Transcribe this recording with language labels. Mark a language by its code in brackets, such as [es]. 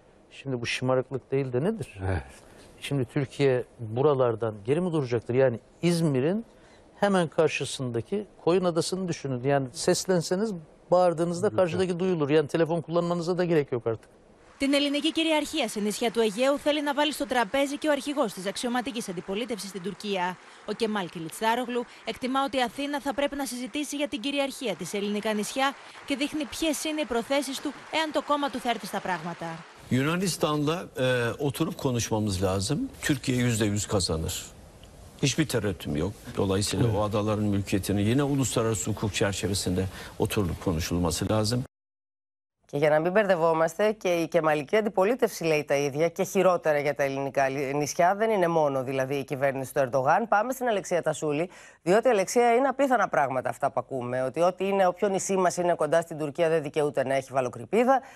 [tr] Şimdi bu şımarıklık değil de nedir? Şimdi Türkiye buralardan geri mi duracaktır? Yani İzmir'in hemen karşısındaki Koyun Adası'nı düşünün. Yani seslenseniz bağırdığınızda karşıdaki duyulur. Yani telefon kullanmanıza da gerek yok artık. [el] Την ελληνική κυριαρχία σε νησιά του Αιγαίου θέλει να βάλει στο τραπέζι και ο αρχηγός της αξιωματικής αντιπολίτευσης στην Τουρκία. Ο Κεμάλ Κιλιτσάρογλου εκτιμά ότι η Αθήνα θα πρέπει να συζητήσει για την κυριαρχία της ελληνικά νησιά και δείχνει ποιες είναι οι προθέσεις του εάν το κόμμα του θα έρθει στα πράγματα. [tr] Yunanistan'la oturup konuşmamız lazım. Türkiye %100 kazanır. Hiçbir tereddütüm yok. Dolayısıyla o adaların mülkiyetini yine uluslararası hukuk çerçevesinde oturulup konuşulması lazım. [el] Και για να μην μπερδευόμαστε, και η κεμαλική αντιπολίτευση λέει τα ίδια και χειρότερα για τα ελληνικά νησιά. Δεν είναι μόνο δηλαδή η κυβέρνηση του Ερντογάν. Πάμε στην Αλεξία Τασούλη, διότι Αλεξία είναι απίθανα πράγματα αυτά που ακούμε. Ότι ό,τι είναι, όποιο νησί μας είναι κοντά στην Τουρκία δεν δικαιούται να έχει βαλοκρηπίδα.